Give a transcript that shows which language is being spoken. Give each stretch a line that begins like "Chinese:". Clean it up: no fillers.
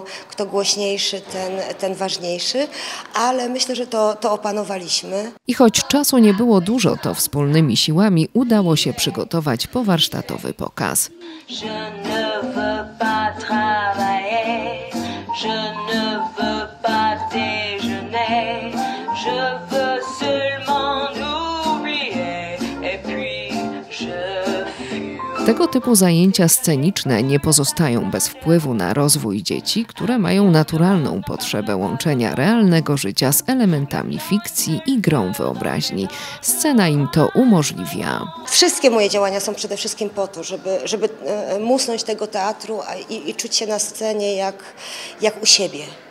Polish: Kto głośniejszy, ten ważniejszy, ale myślę, że to opanowaliśmy. I choć czasu nie było dużo, to wspólnymi siłami udało się przygotować powarsztatowy pokaz.
French: Je ne veux pas travailler, je ne veux pas déjeuner, je veux seulement oublier, et puis je...
Polish: Tego typu zajęcia sceniczne nie pozostają bez wpływu na rozwój dzieci, które mają naturalną potrzebę łączenia realnego życia z elementami fikcji i grą wyobraźni. Scena im to umożliwia. Wszystkie moje działania są przede wszystkim po to, żeby musnąć tego teatru i czuć się na scenie jak u siebie.